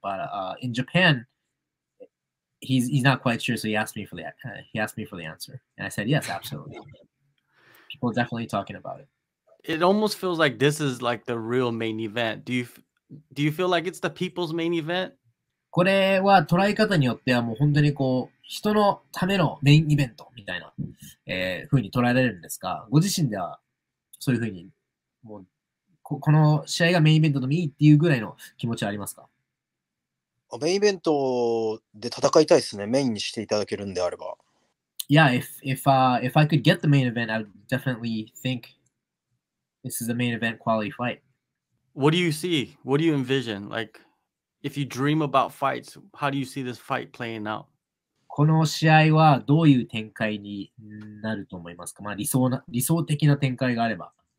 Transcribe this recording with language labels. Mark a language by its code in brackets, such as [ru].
[en] But in Japan. He's not quite sure, so he asked me for the answer, and I said yes, absolutely. People are definitely talking about it. It almost feels like this is like the real main event. Do you feel like it's the people's main event? [ja] これは捉え方によってはもう本当にこう人のためのメインイベントみたいな、風に捉えられるんですが、ご自身ではそういう風にもう この試合がメインイベントでもいいっていうぐらいの気持ちはありますか？メインイベントで戦いたいですね。メインにしていただけるんであれば。 [en] Yeah, if I could get the main event, I would definitely think this is a main event quality fight. What do you see? What do you envision? Like, if you dream about fights, how do you see this fight playing out? [ja] この試合はどういう展開になると思いますか？まあ、理想的な展開があれば。